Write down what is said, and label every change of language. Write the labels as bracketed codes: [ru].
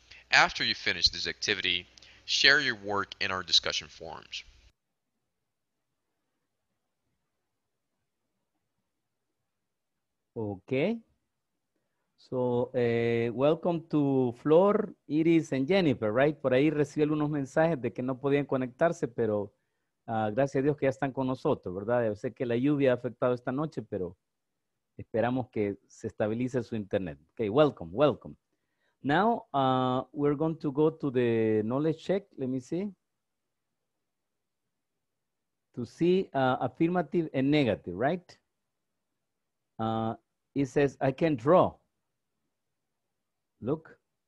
[en] After you finish this activity, share your work in our discussion forums. Okay, so welcome to Flor, Iris, and Jennifer, right? [es] Por ahí recibí algunos mensajes de que no podían conectarse, pero gracias a Dios que ya están con nosotros, ¿verdad? Yo sé que la lluvia ha afectado esta noche, pero esperamos que se estabilice su internet. [en] Okay, welcome, welcome. Now, we're going to go to the knowledge check, let me see. To see affirmative and negative, right? He says, I can draw. Look.